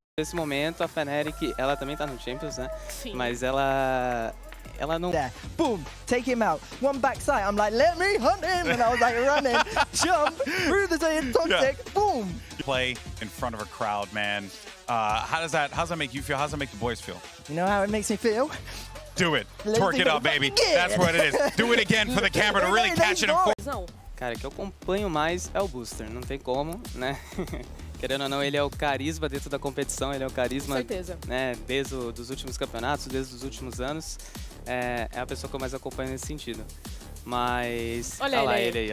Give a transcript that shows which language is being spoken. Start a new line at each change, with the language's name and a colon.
Portuguese: Nesse momento, a Fnatic, ela também tá no Champions, né? Sim. Mas ela não...
English: There. Boom, take him out. One backside, I'm like, let me hunt him! And I was like, running, jump, through the zone, toxic, yeah. Boom! Play in front of a crowd, man. How does that make you feel? How does that make the boys feel? You know how it makes me feel? Do it. Twerk it up, baby. Yeah. That's what it is. Do it again for the camera to really catch it.
Portuguese: Cara, que eu acompanho mais é o Booster, não tem como, né? Querendo ou não, ele é o carisma dentro da competição, ele é o carisma... Com certeza. Né, desde os últimos campeonatos, desde os últimos anos, é a pessoa que eu mais acompanho nesse sentido. Mas... Olha lá ele aí,